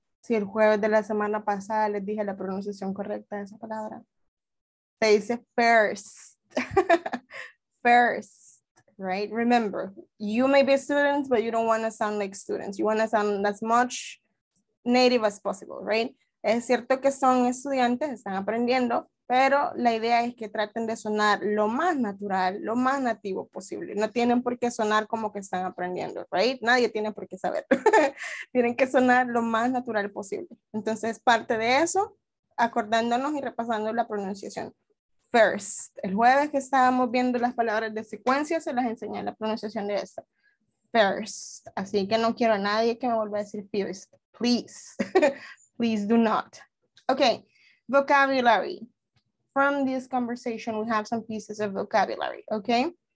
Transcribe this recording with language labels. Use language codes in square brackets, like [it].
[es] Si el jueves de la semana pasada les dije la pronunciación correcta de esa palabra. Se dice first. First, right? [en] Remember, you may be students, but you don't want to sound like students. You want to sound as much native as possible, right? [es] Es cierto que son estudiantes, están aprendiendo, pero la idea es que traten de sonar lo más natural, lo más nativo posible. No tienen por qué sonar como que están aprendiendo, right? Nadie tiene por qué saber. Tienen que sonar lo más natural posible. Entonces, parte de eso, acordándonos y repasando la pronunciación. First, el jueves que estábamos viendo las palabras de secuencia, se las enseñé la pronunciación de esta. First, así que no quiero a nadie que me vuelva a decir first. [en] Please, please do not. Okay, vocabulary. From this conversation, we have some pieces of vocabulary, okay?